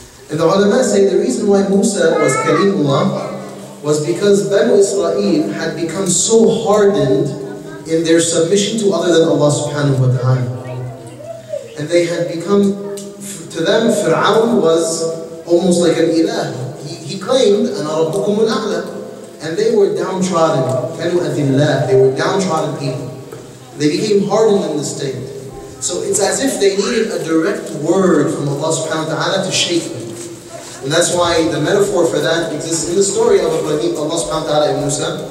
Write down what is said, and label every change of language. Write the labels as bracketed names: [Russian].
[English] And the ulama say the reason why Musa was Kalimullah was because Banu Israel had become so hardened in their submission to other than Allah subhanahu wa ta'ala. And they had become, to them, Fir'aun was almost like an ilah. He claimed, [Arabic] أَنَا رَبُّكُمُ الْأَعْلَى. [English] And they were downtrodden, [Arabic] كَانُوا أَذِلَّهُ. [English] They were downtrodden people. They became hardened in the state. So it's as if they needed a direct word from Allah subhanahu wa ta'ala to shake them. And that's why the metaphor for that exists in the story of Ibrahim, Allah subhanahu wa ta'ala and Musa.